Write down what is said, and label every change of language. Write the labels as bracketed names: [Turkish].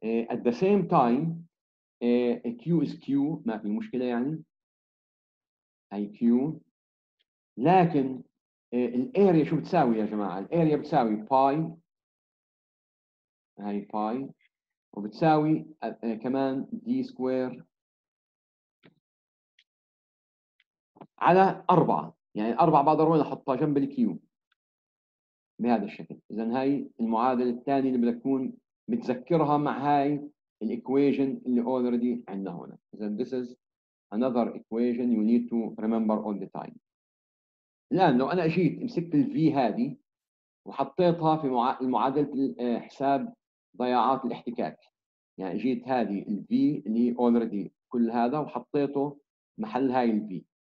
[English] At the same time Q is Q، [Arabic] ما في مشكلة يعني، هاي Q، لكن الاريا شو بتساوي يا جماعة؟ الاريا بتساوي باي، هاي باي، وبتساوي كمان دي سكوير على 4، يعني 4 بقدر وين احطها جنب الكيو بهذا الشكل. اذا هاي المعادلة الثانية اللي بدك تكون متذكرها مع هاي الاكويجن اللي اوريدي عندنا هنا. [English] اذا this is another equation you need to remember all the time. [Arabic] الآن لو أنا أجيت أمسكت الـ V هذه وحطيتها في معادلة حساب ضياعات الاحتكاك، يعني أجيت هذه الـ V اللي already كل هذا وحطيته محل هاي الـ V،